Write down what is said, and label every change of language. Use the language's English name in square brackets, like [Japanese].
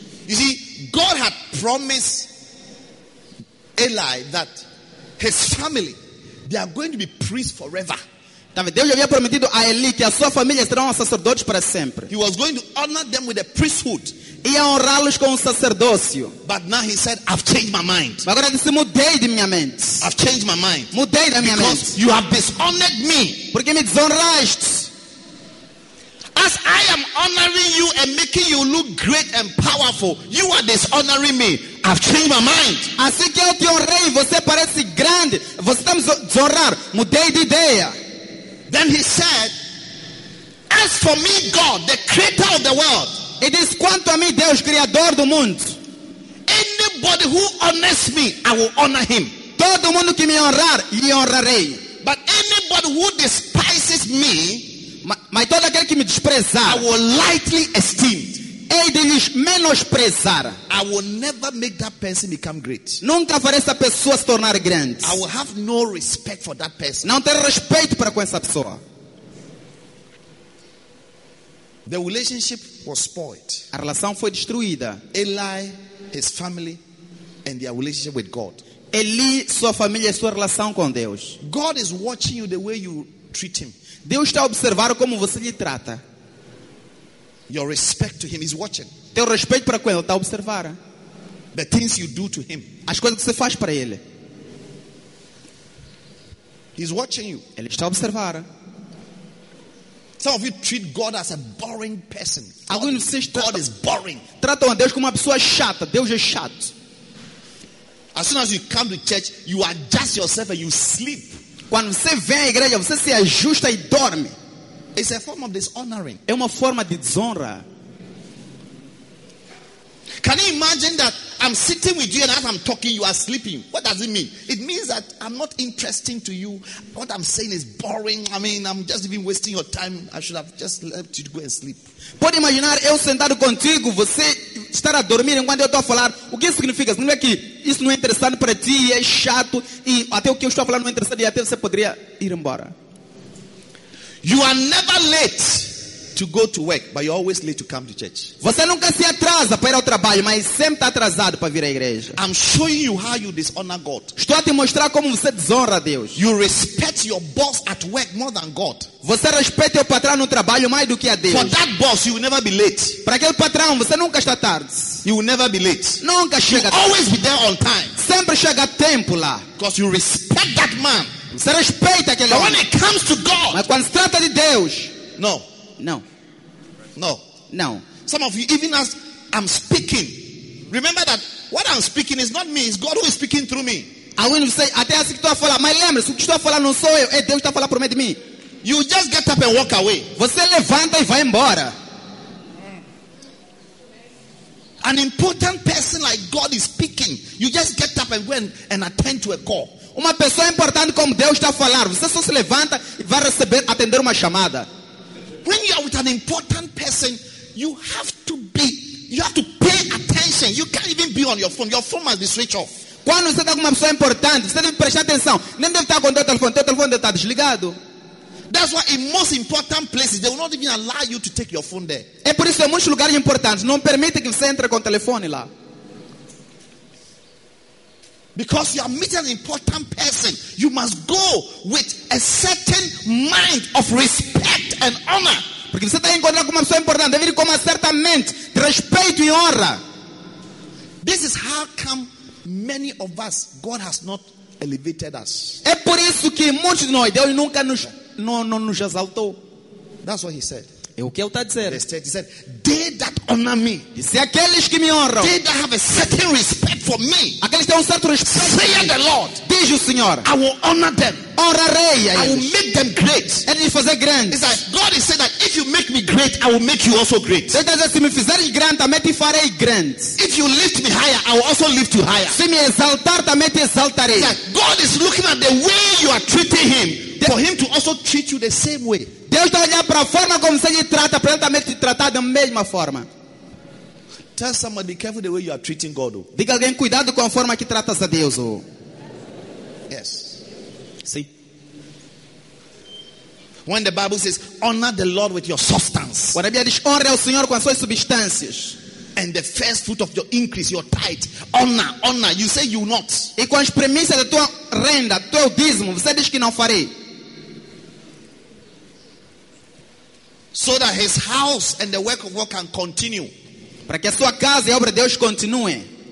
[English] You see, God had promised Eli that his family, they are going to be priests forever. [Portuguese] Deus havia prometido a Eli que a sua família serão sacerdotes para sempre. [English] He was going to honor them with a priesthood. [Portuguese] Ia honrá-los com sacerdócio. [English] But now he said, I've changed my mind. [Portuguese] Agora disse, mudei de minha mente. [English] I've changed my mind. [Portuguese] Mudei da minha mente. [English] Because you have dishonored me. [Portuguese] Porque me desonraste. [English] As I am honoring you and making you look great and powerful, you are dishonoring me. I've changed my mind. [Portuguese] Assim que eu te honrei, você parece grande. Você está me desonrar. Mudei de ideia. [English] Then he said, as for me, God, the creator of the world. It is [Portuguese] quanto a mim, Deus, criador do mundo. [English] Anybody who honors me, I will honor him. [Portuguese] Todo mundo que me honrar, lhe honrarei. [English] But anybody who despises me, [Portuguese] mas todo aquele que me desprezar, [English] I will lightly esteem. [Portuguese] Hei de lhes menosprezar. [English] I will never make that person become great. [Portuguese] Nunca farei essa pessoa se tornar grande. [English] I will have no respect for that person. [Portuguese] Não terei respeito para com essa pessoa. [English] The relationship was spoiled. [Portuguese] A relação foi destruída. [English] Eli, his family, and their relationship with God. [Portuguese] Eli, sua família e sua relação com Deus. [English] God is watching you the way you treat him. [Portuguese] Deus está a observar como você lhe trata. [English] Your respect to him is watching. [Portuguese] Teu respeito para com ele está a observar. [English] The things you do to him. [Portuguese] As coisas que você faz para ele. [English] He's watching you. [Portuguese] Ele está a observar. [English] Some of you treat God as a boring person. [Portuguese] Alguns de vocês [English] God is boring. [Portuguese] Tratam a Deus como uma pessoa chata. Deus é chato. [English] As soon as you come to church, you adjust yourself and you sleep. [Portuguese] Quando você vem à igreja, você se ajusta e dorme. [English] It's a form of dishonoring. [Portuguese] É uma forma de desonra. [English] Can you imagine that I'm sitting with you and as I'm talking, you are sleeping? What does it mean? It means that I'm not interesting to you. What I'm saying is boring. I mean, I'm just even wasting your time. I should have just left you to go and sleep. [Portuguese] Pode imaginar eu sentado contigo, você estar a dormir enquanto eu estou a falar. O que isso significa? Não é que isso não é interessante para ti, é chato e até o que eu estou a falar não é interessante e até você poderia ir embora. [English] You are never late to go to work, but you're always late to come to church. [Portuguese] Você nunca se atrasa para ir ao trabalho, mas sempre está atrasado para vir à igreja. [English] I'm showing you how you dishonor God. [Portuguese] Estou a te mostrar como você desonra a Deus. [English] You respect your boss at work more than God. [Portuguese] Você respeita o patrão no trabalho mais do que a Deus. [English] For that boss, you will never be late. [Portuguese] Para aquele patrão, você nunca está tarde. [English] You will never be late. [Portuguese] Nunca chega. [English] You always be there on time. [Portuguese] Sempre chega a tempo lá. [English] Because you respect that man. [Portuguese] Você respeita aquele homem. [English] But when it comes to God, [Portuguese] mas quando se trata de Deus, [English] no. No. No. No. Some of you, even as I'm speaking, remember that what I'm speaking is not me, it's God who is speaking through me. I will say, [Portuguese] até assim que estou a falar, mas lembre-se, o que estou a falar não sou eu, é Deus que está a falar por meio de mim. [English] You just get up and walk away. [Portuguese] Você levanta e vai embora. [English] An important person like God is speaking. You just get up and go and attend to a call. [Portuguese] Uma pessoa importante como Deus está a falar, você só se levanta e vai receber, atender uma chamada. [English] When you are with an important person, you have to be, you have to pay attention. You can't even be on your phone. Your phone must be switched off. [Portuguese] Quando você está com uma pessoa importante, você deve prestar atenção. Nem deve estar com o telefone. Teu telefone deve estar desligado. [English] That's why in most important places, they will not even allow you to take your phone there. [Portuguese] É por isso que em muitos lugares importantes, não permite que você entre com o telefone lá. [English] Because you are meeting an important person, you must go with a certain mind of respect and honor. [Portuguese] Porque você está encontrando com uma pessoa importante, deve ir com uma certa mente de respeito e honra. [English] This is how come many of us, God has not elevated us. [Portuguese] É por isso que muitos de nós, Deus nunca nos exaltou. [English] That's what he said. [Portuguese] É o que ele está a dizer. [English] He said, they that honor me. [Portuguese] Disse, aqueles que me honram. [English] They that have a certain respect for me. [Portuguese] Aqueles que têm certo respeito. [English] Say the Lord. [Portuguese] Diz o Senhor. [English] I will honor them. [Portuguese] Honrarei a eles. [English] I will make them great. [Portuguese] É de fazer grande. [English] It's like God is saying that if you make me great, I will make you also great. [Portuguese] Ele está a dizer, se me fizeres grande, também te farei grande. [English] If you lift me higher, I will also lift you higher. [Portuguese] Se me exaltar, também te exaltarei. [English] It's like God is looking at the way you are treating him. For him to also treat you the same way. [Portuguese] Deus está olhando para a forma como você lhe trata, para ele também te tratar da mesma forma. [English] Tell somebody, be careful the way you are treating God. [Portuguese] Diga alguém, cuidado com a forma que tratas a Deus. [English] Yes. [Portuguese] Sim. [English] When the Bible says, honor the Lord with your substance. [Portuguese] Quando a Bíblia diz, honra o Senhor com as suas substâncias. [English] And the first fruit of your increase, your tithe, honor. You say you not. [Portuguese] E com as premissas da tua renda, teu dízimo, você diz que não farei. [English] So that his house and the work of God can continue. [Portuguese] Para que a sua casa e a obra de Deus continue.